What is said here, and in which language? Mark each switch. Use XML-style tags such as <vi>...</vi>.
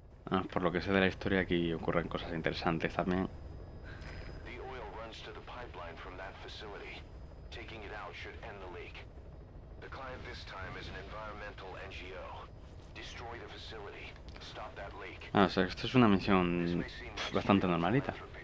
<es>Ah, por lo que sé de la historia, aquí ocurren cosas interesantes también.</es> <en>The oil runs to the pipeline from that facility. Taking it out should end the leak. The client this time is an environmental NGO. Destroy the facility. Stop that leak.</en> <es>Ah, o sea, esto es una misión bastante normalita.</es>